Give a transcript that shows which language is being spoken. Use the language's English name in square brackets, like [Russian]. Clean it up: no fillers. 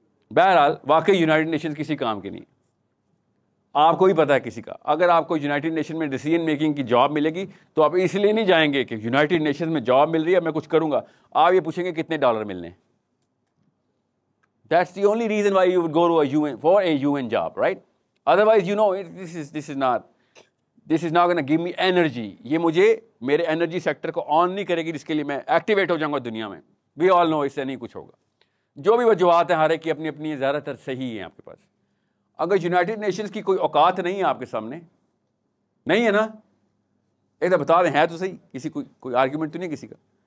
[Urdu] بہرحال واقعی United nations کسی کام کی نہیں ہے. آپ کو بھی پتا ہے کسی کا, اگر آپ کو یونائٹڈ نیشن میں ڈیسیجن میکنگ کی جاب ملے گی تو آپ اس لیے نہیں جائیں گے کہ یونائٹڈ نیشن میں جاب مل رہی ہے میں کچھ کروں گا. آپ یہ پوچھیں گے کتنے ڈالر ملنے. [English] That's the only reason why you would go to a U N for a U N job, right? Otherwise you know this is not gonna give me energy. [Urdu] یہ مجھے میرے اینرجی سیکٹر کو آن نہیں کرے گی جس کے لیے میں ایکٹیویٹ ہو جاؤں گا دنیا میں. [English] we all know [Urdu] اس سے نہیں کچھ ہوگا. جو بھی وجوہات ہیں ہر ایک کی اپنی اپنی, زیادہ تر صحیح ہیں آپ کے پاس. اگر یونائٹڈ نیشنز کی کوئی اوقات نہیں ہے آپ کے سامنے, نہیں ہے نا, ایک تو بتا دیں ہے تو صحیح, کسی کوئی آرگیومنٹ تو نہیں کسی کا.